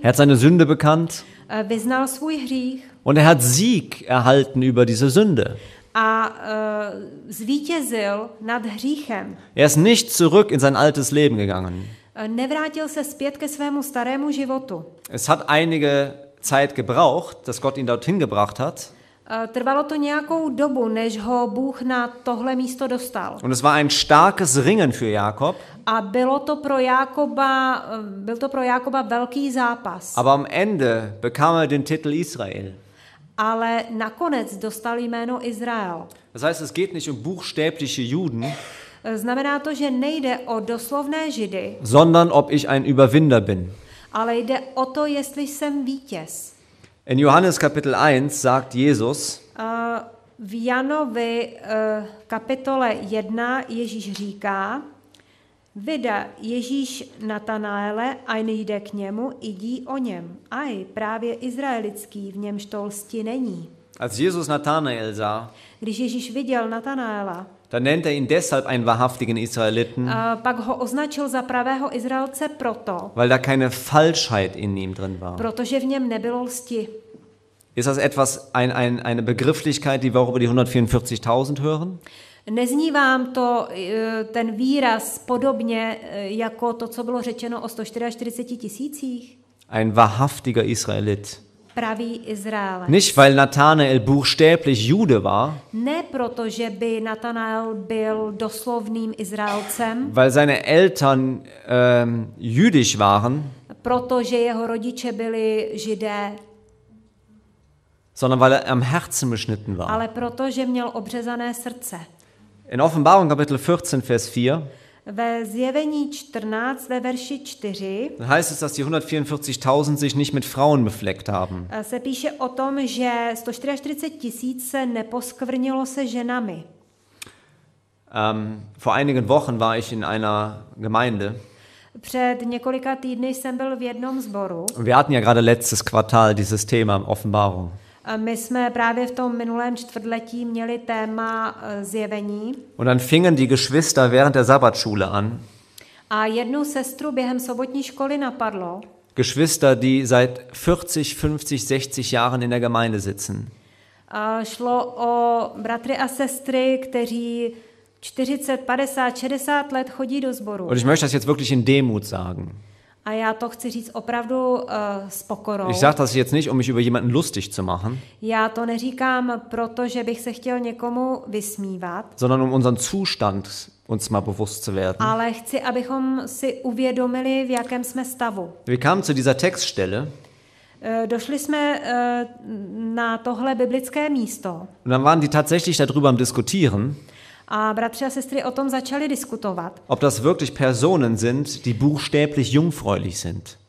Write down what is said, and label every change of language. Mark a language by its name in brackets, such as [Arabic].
[German] Er hat seine Sünde bekannt. [Czech] Vyznal svůj hřích. [German] Und er hat Sieg erhalten über diese Sünde. [Czech] A zvítězil nad hříchem. [German] Er ist nicht zurück in sein altes Leben gegangen. [Czech] Nevrátil se zpět ke svému starému životu. [German] Es hat einige Zeit gebraucht, dass Gott ihn dorthin gebracht hat. [Czech] Trvalo to nějakou dobu, než ho Bůh na tohle místo dostal. [German] Und es war ein starkes Ringen für Jakob. [Czech] A bylo to pro Jakoba, byl to pro Jakoba velký zápas. [German] Aber am Ende bekam er den Titel Israel. [Czech] Ale nakonec dostal jméno Izrael. [German] Das heißt, es geht nicht um buchstäbliche Juden. [Czech] Znamená to, že nejde o doslovné Židy. [German] Sondern ob ich ein Überwinder bin. [Czech] Ale jde o to, jestli jsem vítěz. [German] In Johannes Kapitel 1 sagt Jesus, [Czech] v Janovi kapitole 1 Ježíš říká, vida Ježíš Natanaele, ein jde k němu, idí o něm. Aj, právě izraelický, v němž to lsti není. [German] Als Jesus Natanael sah, [Czech] když Ježíš viděl Natanaela, [German] dann nennt ihn deshalb einen wahrhaftigen Israeliten, [Czech] pak ho označil za pravého Izraelce proto, [German] weil da keine Falschheit in ihm drin war. [Czech] Protože v něm nebylo lsti. [German] Ist das etwas, eine Begrifflichkeit, die wir auch über die 144.000 hören? [Czech] Nezní vám to ten výraz podobně jako to, co bylo řečeno o 144 tisících? [German] Ein wahrhaftiger Israelit. [Czech] Pravý Izraelec. [German] Nicht weil Nathanael buchstäblich Jude war. [Czech] Ne proto, že by Nathanael byl doslovným Izraelcem. [German] Weil seine Eltern jüdisch waren. [Czech] Protože jeho rodiče byli Židé. [German] Sondern weil er am Herzen beschnitten war. [Czech] Ale protože měl obřezané srdce. [German] In Offenbarung Kapitel 14 Vers 4. [Czech] Ve zjevení 14, ve verši 4, [German] dann heißt es, dass die 144.000 sich nicht mit Frauen befleckt haben. [Czech] Se píše o tom, že 144.000 se neposkvrnilo se ženami. [German] Vor einigen Wochen war ich in einer Gemeinde. [Czech] Před několika týdny jsem byl v jednom sboru. [German] Wir hatten ja gerade letztes Quartal dieses Thema Offenbarung. [Czech] My jsme právě v tom minulém čtvrtletí měli téma zjevení. [German] Und dann fingen die Geschwister während der Sabbatschule an. [Czech] A jednu sestru během sobotní školy napadlo. [German] Geschwister, die seit 40, 50, 60 Jahren in der Gemeinde sitzen. [Czech] A šlo o bratry a sestry, kteří 40, 50, 60 let chodí do sboru. [German] Und ich möchte das jetzt wirklich in Demut sagen. [Czech] A já to chci říct opravdu s pokorou. [German] Ich sag das jetzt nicht, um mich über jemanden lustig zu machen. [Czech] Já to neříkám proto, že bych se chtěl někomu vysmívat. [German] Sondern um unseren Zustand uns mal bewusst zu werden. [Czech] Ale chci, abychom si uvědomili, v jakém jsme stavu. [German] Wir kamen zu dieser Textstelle. [Czech] Došli jsme na tohle biblické místo. [German] Und dann waren die tatsächlich darüber am diskutieren. [Czech] A bratři a sestry o tom začali diskutovat. [German] Ob das wirklich Personen sind, die buchstäblich jungfräulich sind.